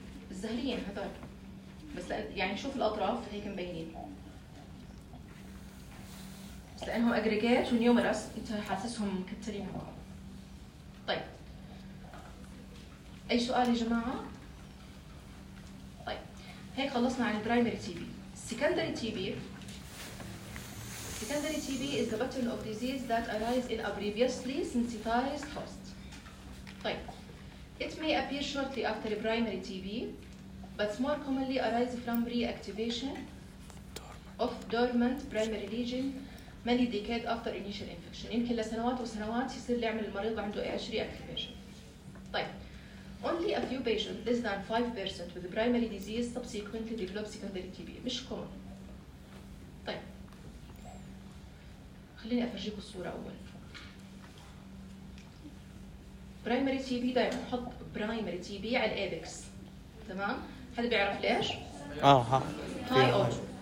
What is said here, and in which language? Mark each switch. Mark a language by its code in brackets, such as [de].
[ar] الزهريين هذول بس يعني شوف الاطراف هيك مبينين، لأنهم أجريجات ونيومرس أنت حاسسهم مكترين مع بعض. طيب أي سؤال يا جماعة؟ طيب هيك خلصنا عن البرايمري تي بي. [en] السكندري T B, السكندري T B is the pattern of disease that arises in a previously sensitized host. طيب it may appear shortly after primary TB but more commonly arises from reactivation of dormant primary lesion many decades after initial infection. [ar] يمكن لسنوات وسنوات يصير اللي عمل المريض عنده إيش reactivation. [en] طيب only a few patients less than 5% with primary disease subsequently develop secondary TB. [ar] مش كومن. طيب خليني أفرجيكم الصورة أول. primary TB دائما نحط primary TB على apex، تمام؟ حد بيعرف ليش؟ آه [en] ها. high auto.